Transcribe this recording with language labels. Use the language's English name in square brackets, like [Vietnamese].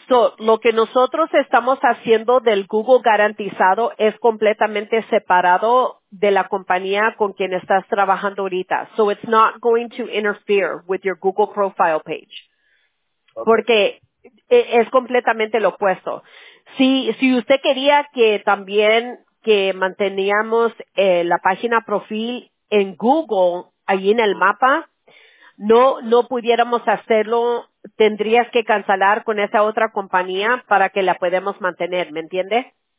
[Spanish] So, lo que nosotros estamos haciendo del Google garantizado es completamente separado de la compañía con quien estás trabajando ahorita. [English] So, it's not going to interfere with your Google profile page. Okay. [Spanish] Porque es completamente lo opuesto. Si usted quería que también que manteníamos la página profil en Google, ahí en el mapa, no pudiéramos hacerlo, tendrías que cancelar con esa otra compañía para que la podamos mantener, ¿me entiende?